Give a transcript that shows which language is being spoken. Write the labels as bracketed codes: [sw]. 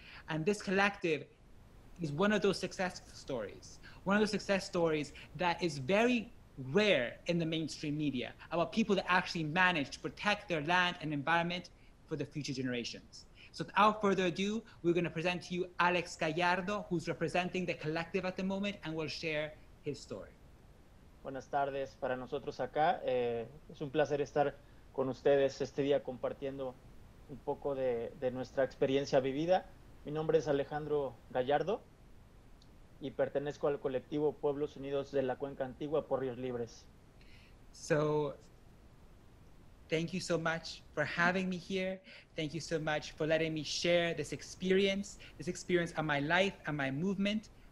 [en] And this collective is one of those success stories, one of those success stories that is very rare in the mainstream media about people that actually manage to protect their land and environment for the future generations. So without further ado, we're going to present to you Alex Gallardo, who's representing the collective at the moment and will share his story. [es] Buenas tardes para nosotros acá. Es un placer estar con ustedes este día compartiendo un poco de nuestra experiencia vivida. Mi nombre es Alejandro Gallardo y pertenezco al colectivo Pueblos Unidos de la Cuenca Antigua por Ríos Libres. [en] So, thank you so much for having me here. Thank you so much for letting me share this experience of my life and my movement.